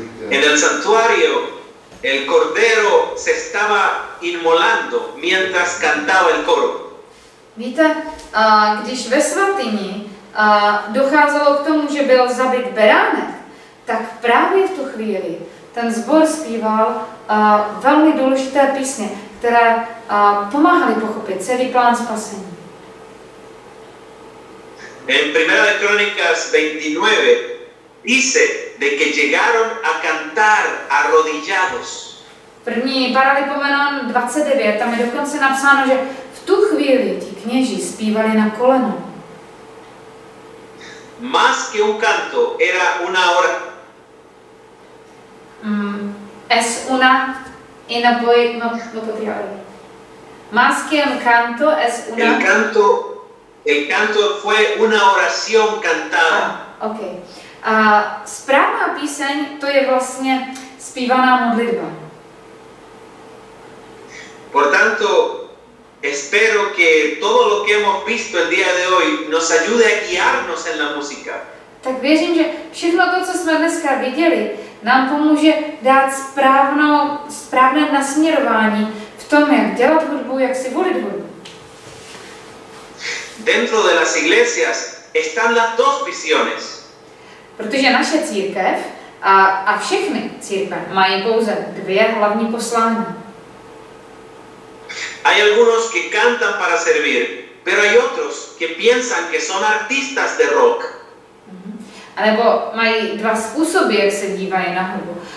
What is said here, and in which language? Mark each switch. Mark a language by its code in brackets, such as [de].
[es] En el santuario el cordero se estaba inmolando mientras cantaba el coro. [cs] Víte, když ve svatyni docházelo k tomu, že byl zabit beránek, tak právě v tu chvíli ten zbor zpíval velmi důležité písně, které pomáhaly pochopit celý plán spasení. [es] En Primera de Crónicas 29 dice de que llegaron a cantar arrodillados. [cs] První Paralipomenon 29, tam je dokonce napsáno, že v tu chvíli ti kněží zpívali na koleno. [es] Más que un canto, era una es una en no podría hablar. Más que un canto, es una... El canto fue una oración cantada. Ok. [cs] Správná píseň, to je vlastně zpívaná modlitba. [es] Por tanto, espero que todo lo que hemos visto el día de hoy nos ayude a guiarnos en la música. [cs] Tak věřím, že všechno to, co jsme dneska viděli, nám pomůže dát správné nasměrování v tom, jak dělat hudbu, jak si volit hudbu. [es] Dentro de las iglesias están las dos visiones. [cs] Protože naše církev a všechny církve mají pouze dvě hlavní poslání. [es] Hay algunos que cantan para servir, pero hay otros que piensan que son artistas de rock. [cs] A nebo mají dva způsoby, jak se dívají na hudbu.